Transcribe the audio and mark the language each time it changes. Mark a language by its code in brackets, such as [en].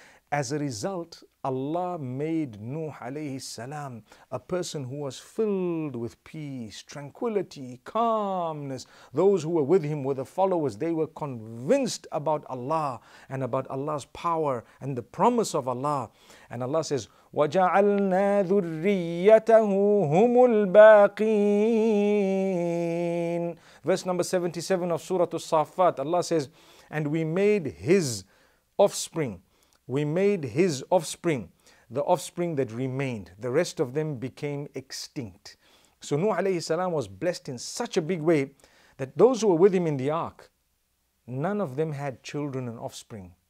[en] As a result, Allah made Nuh alayhi salam a person who was filled with peace, tranquility, calmness. Those who were with him were the followers. They were convinced about Allah and about Allah's power and the promise of Allah. And Allah says, [ar] وَجَعَلْنَا ذُرِّيَّتَهُ هُمُ الْبَاقِينَ. [en] Verse number 77 of Surah As-Saffat, Allah says, and we made his offspring. We made his offspring, the offspring that remained. The rest of them became extinct. So Nuh alayhi salam was blessed in such a big way that those who were with him in the ark, none of them had children and offspring.